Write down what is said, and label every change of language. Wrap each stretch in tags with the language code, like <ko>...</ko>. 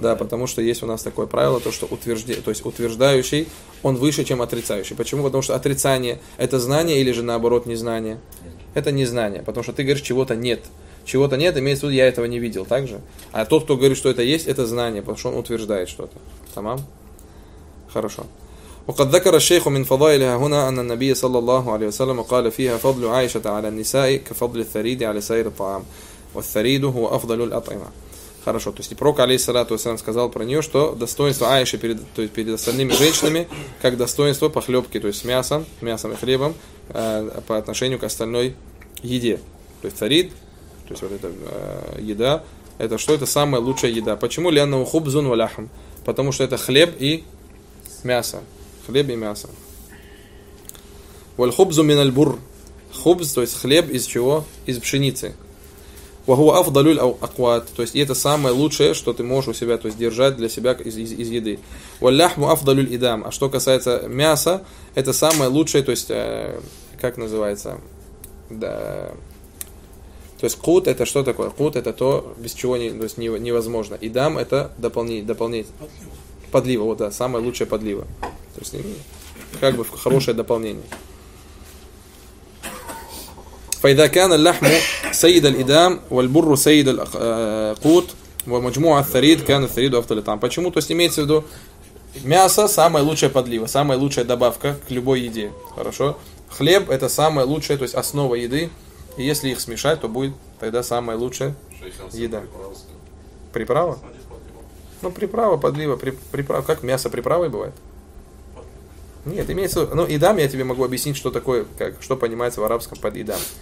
<ru>Да, потому что есть у нас такое правило, то, что то есть утверждающий, он выше, чем отрицающий. Почему? Потому что отрицание – это знание или же наоборот незнание? Нет. Это незнание, потому что ты говоришь, чего-то нет. Чего-то нет, имеется в виду, я этого не видел, так же? А тот, кто говорит, что это есть, это знание, потому что он утверждает что-то. Тамам? Хорошо.</ru> <ar>وقد ذكر الشيخ من فضائلها هنا أن النبي صلى الله عليه وسلم قال فيها فضل عائشة على النساء كفضل الثريد على سائر الطعام والثريد هو أفضل الأطعمة.</ar> <ru>Хорошо, то есть пророк алейхиссалату вассалям сказал про нее, что достоинство Аиши перед, то есть перед остальными женщинами как достоинство похлебки, то есть мясом и хлебом по отношению к остальной еде. То есть царид, то есть вот эта еда, это что? Это самая лучшая еда. Почему?</ru> <ar>Лианна ухубзун валяхм.</ar> <ru>Потому что это хлеб и мясо. Хлеб и мясо.</ru> <ar>Вальхубзу минальбур.</ar> <ru>Хубз, то есть хлеб из чего? Из пшеницы.</ru> <ar>Вахуа афдалюль акват.</ar> <ru>То есть это самое лучшее, что ты можешь у себя, то есть держать для себя из еды.</ru> <ar>Валяхму афдалюль идам.</ar> <ru>А что касается мяса, это самое лучшее, то есть, как называется? Да. То есть кут это что такое? Кут это то, без чего не, то есть невозможно. Идам это дополнить. Подлива, вот да, самое лучшее подлива. То есть, как бы хорошее дополнение.</ru> <ar>فإذا كان اللحم سيد الإدام والبر سيد القوت ومجموع الثريد كان الثريد أفضل الطعام.</ar> <ru>Почему? То есть имеется в виду мясо самая лучшая подлива, самая лучшая добавка к любой еде. Хорошо? Хлеб это самая лучшая, то есть основа еды. И если их смешать, то будет тогда самая лучшая еда. Приправа? Ну, приправа, подлива, приправа. Как мясо приправой бывает? Нет, имеется в виду, ну, идам, я тебе могу объяснить, что такое, как, что понимается в арабском под идам.</ru>